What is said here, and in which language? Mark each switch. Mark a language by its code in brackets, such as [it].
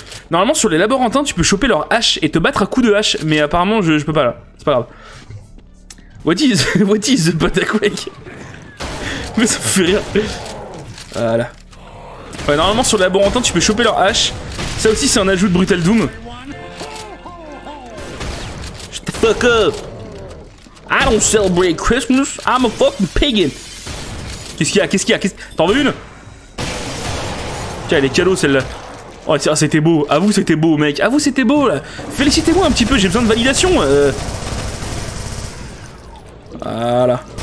[fr] Normalement, sur les laborantins, tu peux choper leur hache et te battre à coups de hache, mais apparemment, je peux pas là. C'est pas grave. [en] What is the Bataquake? [fr] Mais ça me fait rire. Voilà. Ouais, normalement, sur les laborantins, tu peux choper leur hache. Ça aussi, c'est un ajout de Brutal Doom. [en] Shut the fuck up! I don't celebrate Christmas, I'm a fucking pagan! [fr] Qu'est-ce qu'il y a? T'en veux une? Tiens, elle est cadeau celle-là. Oh tiens, c'était beau. À vous, c'était beau, mec. À vous, c'était beau, là. Félicitez-moi un petit peu, j'ai besoin de validation. Voilà.